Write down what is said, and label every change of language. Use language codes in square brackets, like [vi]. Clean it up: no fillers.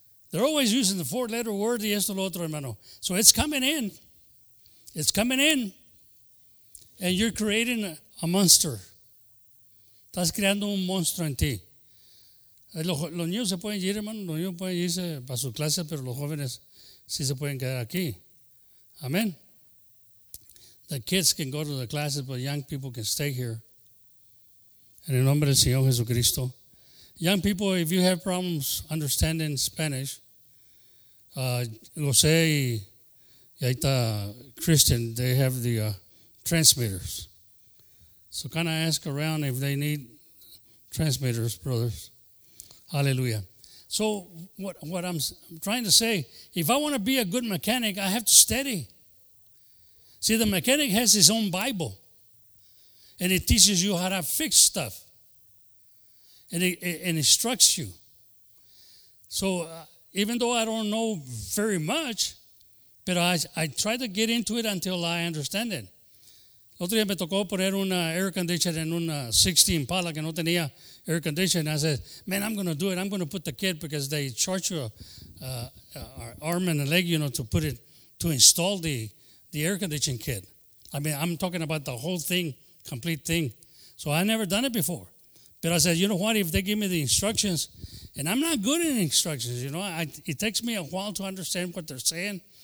[en] They're always using the four-letter word [es] y esto lo otro, hermano. [en] So it's coming in. It's coming in. And you're creating a monster. [es] Estás creando un monstruo en ti. Los niños se pueden ir, hermano. Los niños pueden irse para su clase, pero los jóvenes sí se pueden quedar aquí. Amén. [en] The kids can go to the classes, but young people can stay here. [es] En el nombre del Señor Jesucristo. [en] Young people, if you have problems understanding Spanish, José [es] y ahí está [en] Christian, they have the transmitters. So can I ask around if they need transmitters, brothers? Hallelujah. So what I'm trying to say, if I want to be a good mechanic, I have to study. See, the mechanic has his own Bible, and it teaches you how to fix stuff, and it instructs you. So even though I don't know very much, but I try to get into it until I understand it. [es] El otro día me tocó poner un air conditioner en un 16 Impala que no tenía air conditioner. [en] I said, man, I'm going to do it. I'm going to put the kit because they charge you an arm and a leg, you know, to put it, to install the air conditioning kit. I mean, I'm talking about the whole thing, complete thing. So I never done it before. But I said, you know what, if they give me the instructions, and I'm not good in instructions, you know, it takes me a while to understand what they're saying.